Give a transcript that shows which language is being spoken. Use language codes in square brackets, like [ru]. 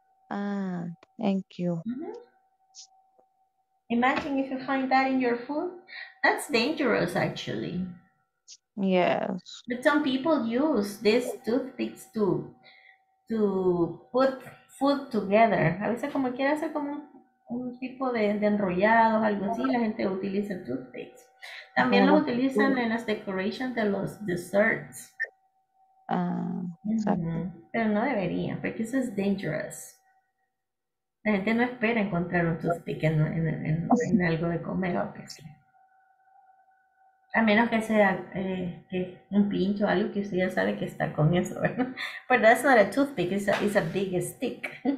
[en] Ah, thank you. Mm-hmm. Imagine if you find that in your food. That's dangerous, actually. Yes. But some people use these toothpicks to put food together. [es] A veces como quiera hacer como un tipo de enrollados, algo así, la gente utiliza toothpicks. También lo utilizan en las [en] decorations [es] de los [en] desserts. [es] Pero no debería, porque eso es [en] dangerous. [es] La gente no espera encontrar un toothpick en algo de comer, obviamente. A menos que sea que un pincho o algo que usted ya sabe que está con eso, ¿verdad? [en] But that's not a toothpick, it's a big stick.